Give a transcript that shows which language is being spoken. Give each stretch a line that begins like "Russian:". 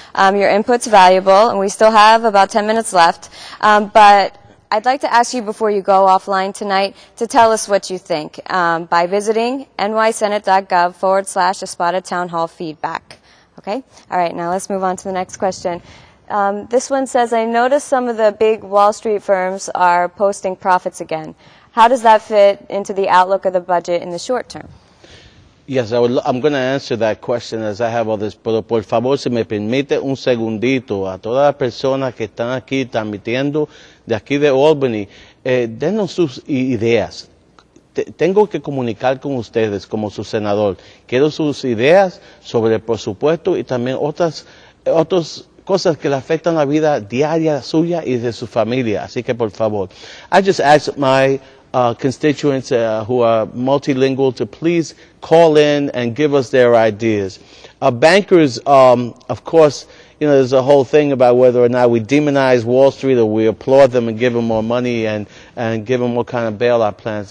English: Your input's valuable, and we still have about 10 minutes left, but I'd like to ask you before you go offline tonight to tell us what you think by visiting nysenate.gov/espadatownhallfeedback. Okay? All right, now let's move on to the next question. This one says, I noticed some of the big Wall Street firms are posting profits again. How does that fit into the outlook of the budget in the short term? Yes, I'm going to answer that question as I have others.
Spanish: Pero por favor, si me permite un segundito a todas las personas que están aquí transmitiendo de aquí de Albany, denos sus ideas. Tengo que comunicar con ustedes como su senador. Quiero sus ideas sobre el presupuesto y también otras cosas que le afectan la vida diaria suya y de su familia. Así que por favor.
English: I just asked my constituents who are multilingual to please call in and give us their ideas. Bankers, of course, you know, there's a whole thing about whether or not we demonize Wall Street or we applaud them and give them more money and give them what kind of bailout plans.